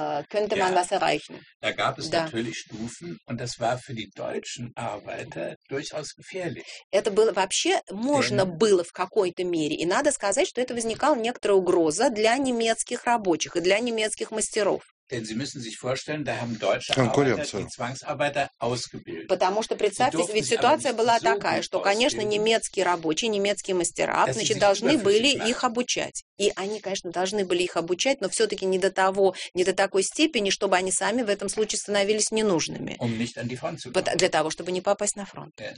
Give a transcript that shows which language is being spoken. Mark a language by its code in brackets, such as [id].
[de] Könnte man was erreichen? Da gab es natürlich Stufen, und das war für die deutschen Arbeiter durchaus gefährlich. [ru] Это было вообще можно было в какой-то мере, и надо сказать, что это возникала некоторая угроза для немецких рабочих и для немецких мастеров. [de] Denn Sie müssen sich vorstellen, da haben deutsche Arbeiter die Zwangsarbeiter ausgebildet. [ru] Потому что представьте, ведь ситуация была такая, что, конечно, немецкие рабочие, немецкие мастера, значит, должны были их обучать. И они, конечно, должны были их обучать, но все-таки не до того, не до такой степени, чтобы они сами в этом случае становились ненужными. Для того, чтобы не попасть на фронт.